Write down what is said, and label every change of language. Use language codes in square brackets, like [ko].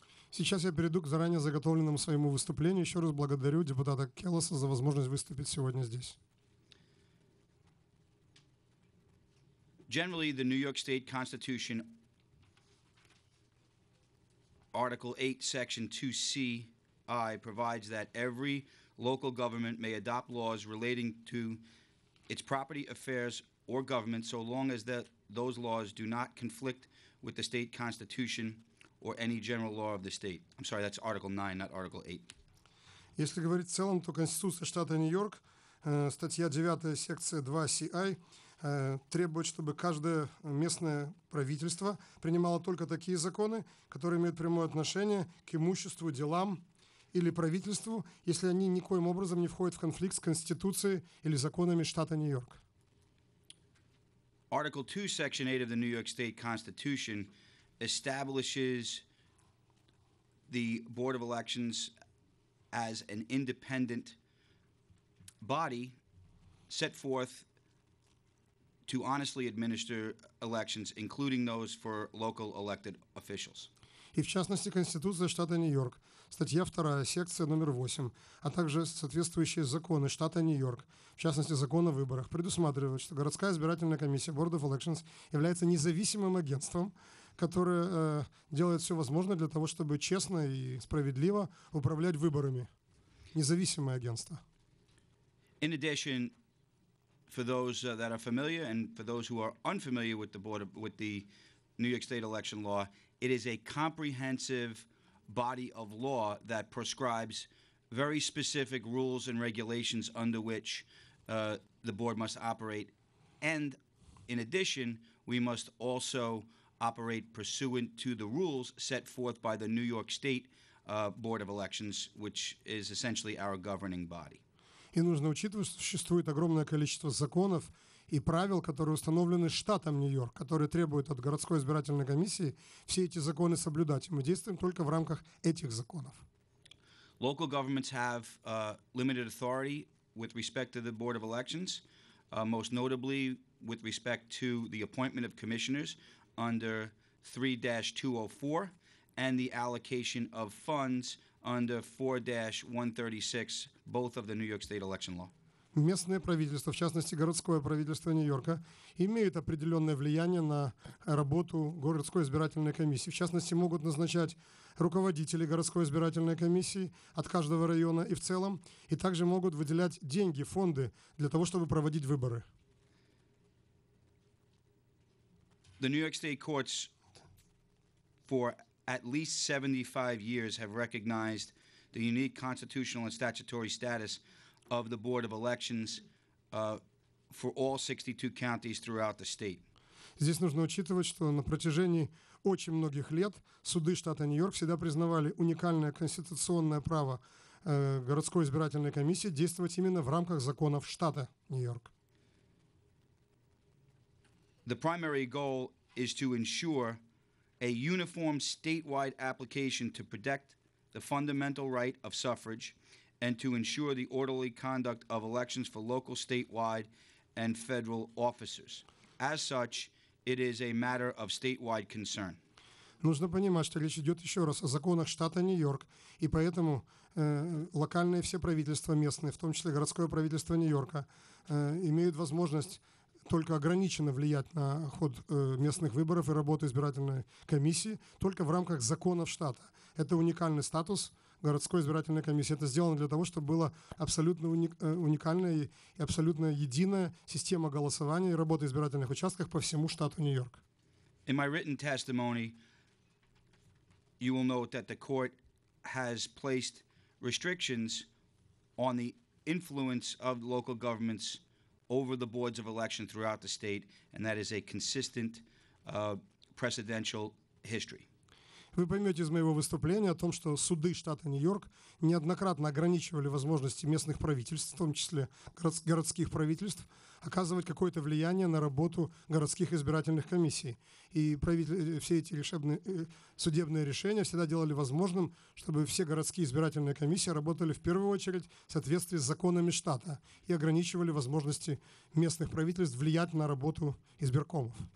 [ru] Сейчас я перейду к заранее заготовленному своему выступлению. Еще раз благодарю депутата Келлоса за возможность выступить сегодня здесь. [en] Generally, the New York State Constitution, Article 8, Section 2C(i), provides that every local government may adopt laws relating to its property affairs or government, so long as that those laws do not conflict with the state constitution or any general law of the state. I'm sorry, that's Article 9, not Article 8. [ru] Если говорить в целом, то Конституция штата Нью-Йорк, статья 9, секция 2CI, требует, чтобы каждое местное правительство принимало только такие законы, которые имеют прямое отношение к имуществу, делам или правительству, если они никоим образом не входят в конфликт с Конституцией или законами штата Нью-Йорк. [en] Article 2, Section 8 of the New York State Constitution establishes the Board of Elections as an independent body set forth to honestly administer elections, including those for local elected officials. [ru] И в частности, Конституция штата Нью-Йорк, статья 2, секция номер 8, а также соответствующие законы штата Нью-Йорк, в частности, закон о выборах, предусматривают, что городская избирательная комиссия Board of Elections является независимым агентством, которое делает все возможное для того, чтобы честно и справедливо управлять выборами. Независимое агентство. [en] In addition, for those that are familiar and for those who are unfamiliar with the board of, with the New York State election law, it is a comprehensive body of law that prescribes very specific rules and regulations under which the board must operate. And in addition, we must also operate pursuant to the rules set forth by the New York State Board of Elections, which is essentially our governing body. [ru] И нужно учитывать, что существует огромное количество законов и правил, которые установлены штатом Нью-Йорк, которые требуют от городской избирательной комиссии все эти законы соблюдать. Мы действуем только в рамках этих законов. [en] Local governments have limited authority with respect to the Board of Elections, most notably with respect to the appointment of commissioners under 3-204 and the allocation of funds under 4-136, both of the New York State election law. [ru] Местное правительство, в частности, городское правительство Нью-Йорка, имеют определенное влияние на работу городской избирательной комиссии. В частности, могут назначать руководителей городской избирательной комиссии от каждого района и в целом, и также могут выделять деньги, фонды для того, чтобы проводить выборы. [en] The New York State courts for at least 75 years have recognized the unique constitutional and statutory status of the Board of Elections for all 62 counties throughout the state. [ru] Здесь нужно учитывать, что на протяжении очень многих лет суды штата Нью-Йорк всегда признавали уникальное конституционное право городской избирательной комиссии действовать именно в рамках законов штата Нью-Йорк. [en] The primary goal is to ensure a uniform statewide application to protect the fundamental right of suffrage and to ensure the orderly conduct of elections for local, statewide, and federal officers. As such, it is a matter of statewide concern. [ru] Нужно понимать, что речь идет еще раз о законах штата Нью-Йорк, и поэтому локальные все правительства местные, в том числе городское правительство Нью-Йорка, имеют возможность только ограниченно влиять на ход местных выборов и работы избирательной комиссии только в рамках законов штата. Это уникальный статус городской избирательной комиссии. Это сделано для того, чтобы была абсолютно уникальная и абсолютно единая система голосования и работы избирательных участков по всему штату Нью-Йорк. [en] In my written testimony, you will note that the court has placed restrictions on the influence of local governments over the boards of election throughout the state, and that is a consistent presidential history. [ru] Вы поймете из моего выступления о том, что суды штата Нью-Йорк неоднократно ограничивали возможности местных правительств, в том числе городских правительств, оказывать какое-то влияние на работу городских избирательных комиссий. И все эти судебные решения всегда делали возможным, чтобы все городские избирательные комиссии работали в первую очередь в соответствии с законами штата и ограничивали возможности местных правительств влиять на работу избиркомов.